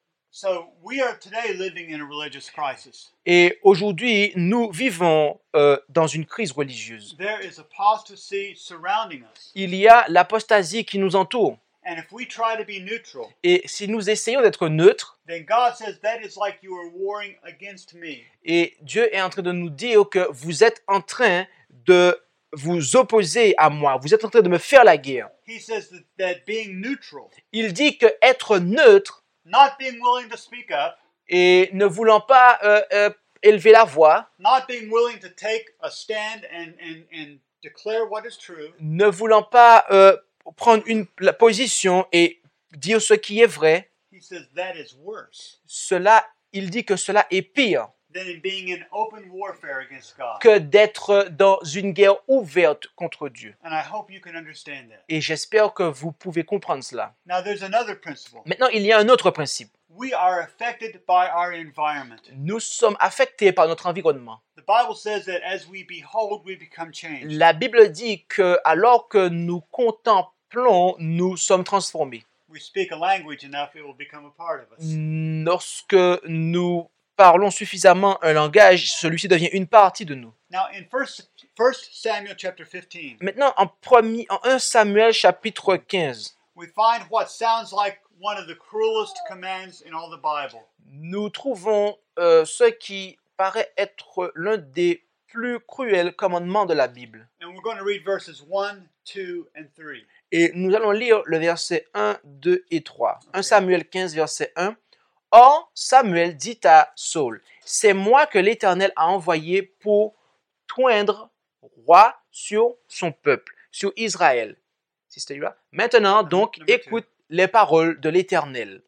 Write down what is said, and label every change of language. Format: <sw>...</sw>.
<en>So we are today living in a religious crisis.</en> <fr>Et aujourd'hui, nous vivons dans une crise religieuse.</fr> <en>There is apostasy surrounding us.</en> <fr>Il y a l'apostasie qui nous entoure.</fr> <en>And if we try to be neutral,</en> <fr>et si nous essayons d'être neutres,</fr> <en>then God says that is like you are warring against me.</en> <fr>Et Dieu est en train de nous dire que vous êtes en train de vous opposer à moi. Vous êtes en train de me faire la guerre.</fr> <en>He says that being neutral,</en> <fr>il dit que être neutre,</fr> <en>not being willing to speak up,</en> <fr>et ne voulant pas élever la voix,</fr> <en>not being willing to take a stand and declare what is true,</en> <fr>ne voulant pas prendre une position et dire ce qui est vrai,</fr> <en>he says that is worse.</en> <fr>Cela, il dit que cela est pire</fr> <en>than in being in open warfare against God.</en> <fr>Que d'être dans une guerre ouverte contre Dieu.</fr> <en>And I hope you can understand that.</en> <fr>Et j'espère que vous pouvez comprendre cela.</fr> <en>Now, there's another principle.</en> <fr>Maintenant, il y a un autre principe.</fr> <en>We are affected by our environment.</en> <fr>Nous sommes affectés par notre environnement.</fr> <en>The Bible says that as we behold, we become changed.</en> <fr>La Bible dit que alors que nous contemplons, nous sommes transformés.</fr> <en>We speak a language enough, it will become a part of us.</en> <fr>Lorsque nous parlons suffisamment un langage, celui-ci devient une partie de nous.</fr> <en>Now, in first Samuel chapter 15,</en> <fr>maintenant, en 1 Samuel chapitre 15,</fr> <en>we find what sounds like one of the cruelest commands in all the Bible.</en> <fr>Nous trouvons ce qui paraît être l'un des plus cruels commandements de la Bible.</fr> <en>And we're going to read verses 1, 2, and 3.</en> <fr>Et nous allons lire le verset 1, 2 et 3. 1 Samuel 15, verset 1. « Or, Samuel dit à Saul, « C'est moi que l'Éternel a envoyé pour toindre roi sur son peuple, sur Israël. » Maintenant, donc, écoute les paroles de l'Éternel.</fr>